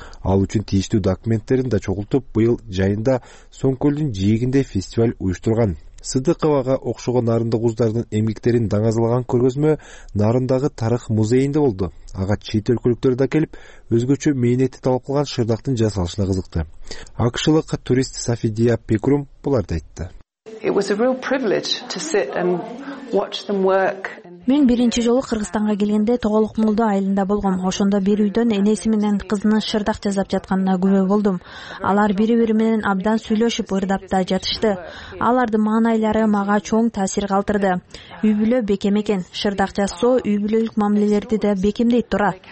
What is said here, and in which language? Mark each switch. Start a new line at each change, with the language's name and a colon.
Kyrgyz: Ал үчүн тийиштүү документтерин да чогултуп, быйыл жайында Сонкөлдүн жээгинде фестиваль уюштурган. Сыдыковага окшогон нарындык уздардын эмгектерин даңазалаган көргөзмө нарындагы тарых музейинде болду. Ага чет өлкөлүктөр да келип, өзгөчө мээнети талап кылган шырдактын жасалышына кызыкты. Акшылык турист Сафидия Пекрум буларды айтты.
English: It was a real privilege to sit and watch them work.
Kyrgyz: Мен биринчи жолу Кыргызстанга келгенде Тоголук Молдо айылында болгом. Ошондо бир үйдөн энеси менен кызынын шырдак жасап жатканына күбө болдум. Алар бири-бири менен абдан сүйлөшүп, ырдап да жатышты. Алардын маанайлары мага чоң таасир калтырды. Үй бүлө бекем экен. Шырдак жасоо үй бүлөлүк мамилелерди да бекемдейт тура.